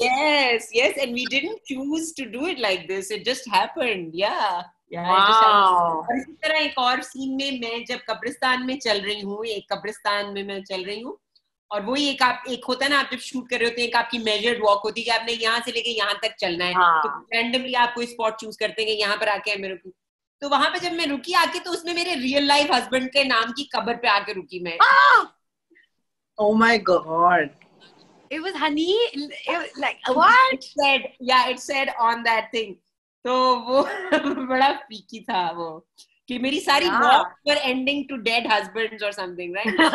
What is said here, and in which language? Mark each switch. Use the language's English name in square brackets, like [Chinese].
[English] Yes, yes, and we didn't choose to do it like this. It just happened. Yeah. Wow. [Urdu] اسی طرح ایک اور سین میں میں جب قبرستان میں چل رہی ہوں, ایک قبرستان میں میں چل رہی ہوں اور وہی ایک آپ ایک ہوتا ہے نا آپ جب شوٹ کر رہے ہوتے ہیں ایک آپ کی میجرڈ واک ہوتی ہے کہ آپ نے یہاں سے لے کے یہاں تک چلنا ہے, تو رینڈملی آپ کوئی اسپاٹ چوز کرتے ہیں کہ یہاں پر آ کے میں رکوں. تو وہاں پہ جب میں رکی آ کے تو اس میں میرے ریئل لائف ہسبینڈ کے نام کی قبر پہ آ کے رکی میں. [English] Oh my God. It was honey, it was like what it said. Yeah, it said on that thing. So [Urdu] wo bada peaky tha wo ki meri sari [English] walk were ending to dead husbands or something, right?